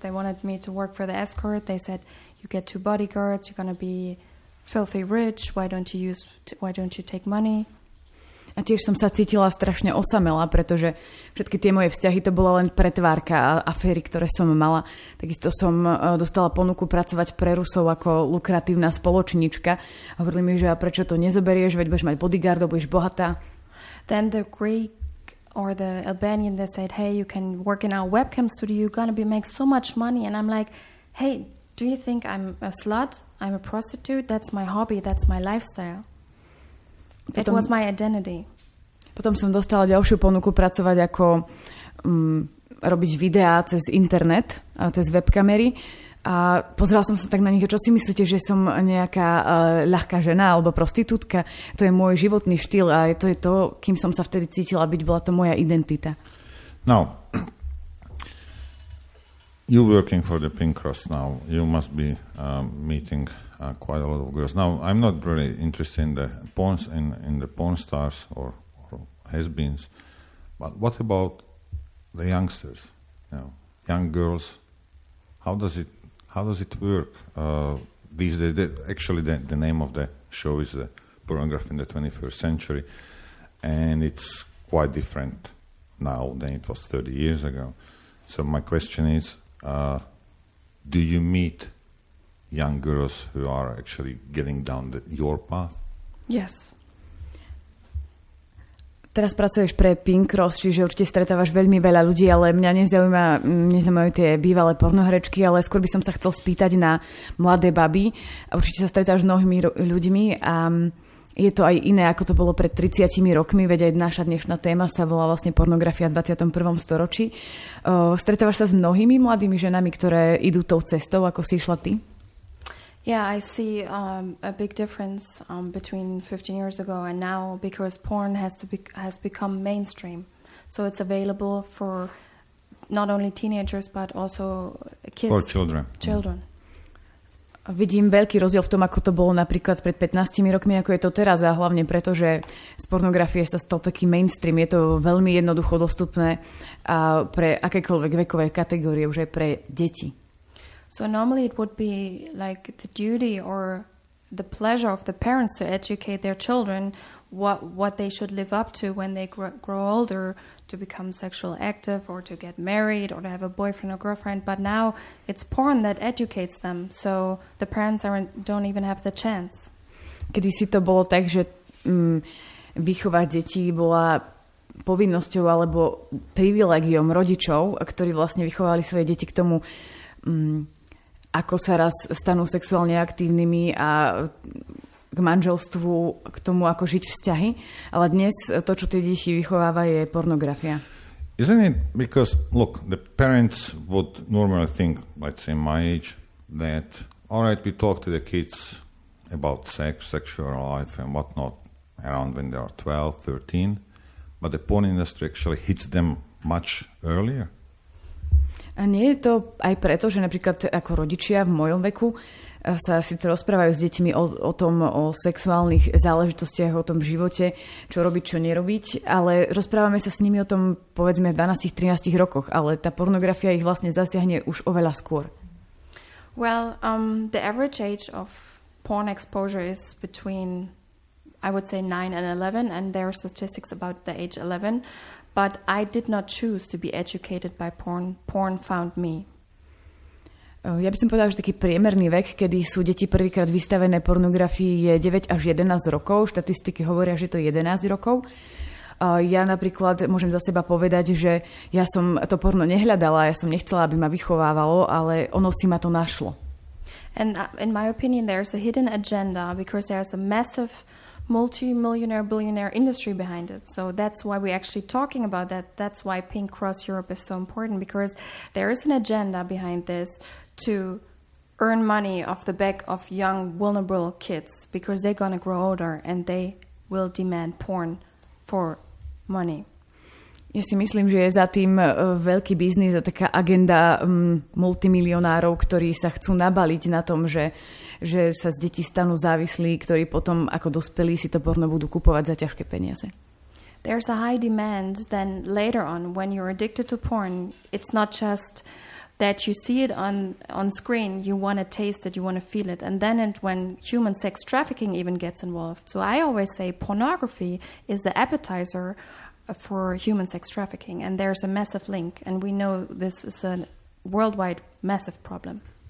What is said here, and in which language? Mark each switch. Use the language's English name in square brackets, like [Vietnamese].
[English] They wanted me to work for the escort. They said, you get two bodyguards, you're going to be filthy rich. Why don't you take money? [Slovak] A tiež som sa cítila strašne osamelá, pretože všetky tie moje vzťahy to bola len pretvárka a aféry, ktoré som mala. Takisto som dostala ponuku pracovať pre Rusov ako lukratívna spoločnička. Hovorili mi, že a prečo to nezoberieš, veď budeš mať bodyguardov, budeš bohatá. [English] Then the Greek or the Albanian, they said, hey, you can work in our webcam studio, you're gonna be make so much money. And I'm like, hey, do you think I'm a slut? I'm a prostitute? That's my hobby, that's my lifestyle. [Slovak] Potom, [English] it was my identity. [Slovak] Potom som dostala ďalšiu ponuku pracovať ako robiť videá cez internet, cez webkamery. A pozerala som sa tak na nich, čo si myslíte, že som nejaká ľahká žena alebo prostitútka? To je môj životný štýl a to je to, kým som sa vtedy cítila byť, bola to moja identita. [English] No, you working for the Pink Cross now. You must be meeting quite a lot of girls. Now, I'm not really interested in the porns in the porn stars or has-beens, but what about the youngsters? You know, young girls. How does it work these days? Actually, the name of the show is the Pornography in the 21st Century, and it's quite different now than it was 30 years ago. So my question is, do you meet young girls who are actually getting down your path? Yes. [Slovak] Teraz pracuješ pre Pink Cross, čiže určite stretávaš veľmi veľa ľudí, ale mňa nezaujímajú tie bývalé pornohrečky, ale skôr by som sa chcel spýtať na mladé baby. Určite sa stretávaš s mnohými ľuďmi a je to aj iné, ako to bolo pred 30 rokmi, veď aj naša dnešná téma sa volá vlastne pornografia v 21. storočí. Stretávaš sa s mnohými mladými ženami, ktoré idú tou cestou, ako si išla ty? [English] Yeah, I see a big difference between 15 years ago and now because porn has become mainstream. So it's available for not only teenagers but also kids. For children. Children. [Slovak] Vidím veľký rozdiel v tom, ako to bolo napríklad pred 15 rokmi, ako je to teraz a hlavne preto, že z pornografie sa stal taký mainstream. Je to veľmi jednoducho dostupné a pre akékoľvek vekové kategórie, už aj pre deti. [English] So normally it would be like the duty or the pleasure of the parents to educate their children what they should live up to when they grow older, to become sexual active or to get married or to have a boyfriend or girlfriend. But now it's porn that educates them, so the parents don't even have the chance. [Slovak] Kedysi to bolo tak, že výchova detí bola povinnosťou alebo privilegiom rodičov, ktorí vlastne vychovali svoje deti k tomu, ako sa raz stanú sexuálne aktívnymi a k manželstvu, k tomu, ako žiť vzťahy. Ale dnes to, čo tie deti vychováva, je pornografia. [English] Isn't it? Because, look, the parents would normally think, let's say my age, that, all right, we talk to the kids about sex, sexual life and whatnot around when they are 12, 13, but the porn industry actually hits them much earlier. [Slovak] A nie je to aj preto, že napríklad ako rodičia v mojom veku sa síce rozprávajú s deťmi o tom, o sexuálnych záležitostiach, o tom živote, čo robiť, čo nerobiť, ale rozprávame sa s nimi o tom, povedzme, v 12-13 rokoch, ale tá pornografia ich vlastne zasiahne už oveľa skôr. [English] Well, the average age of porn exposure is between, I would say, 9 and 11, and there are statistics about the age 11. But I did not choose to be educated by porn. Porn found me. [Slovak] Ja by som povedala, že taký priemerný vek, kedy sú deti prvýkrát vystavené pornografii, je 9 až 11 rokov. Štatistiky hovoria, že to je 11 rokov. Ja napríklad môžem za seba povedať, že ja som to porno nehľadala, ja som nechcela, aby ma vychovávalo, ale ono si ma to našlo. [English] And in my opinion, there's a hidden agenda because there's a massive multi-millionaire billionaire industry behind it. So that's why we're actually talking about that. That's why Pink Cross Europe is so important, because there is an agenda behind this to earn money off the back of young vulnerable kids, because they're going to grow older and they will demand porn for money. [Slovak] Ja si myslím, že je za tým veľký biznis a taká agenda multimilionárov, ktorí sa chcú nabaliť na tom, že sa z detí stanú závislí, ktorí potom ako dospelí si to porno budú kupovať za ťažké peniaze. [English] There's a high demand then later on when you're addicted to porn. It's not just that you see it on screen, you want to taste it, you want to feel it. And then when human sex trafficking even gets involved. So I always say pornography is the appetizer for human sex trafficking, and there's a massive link, and we know this is a worldwide massive problem.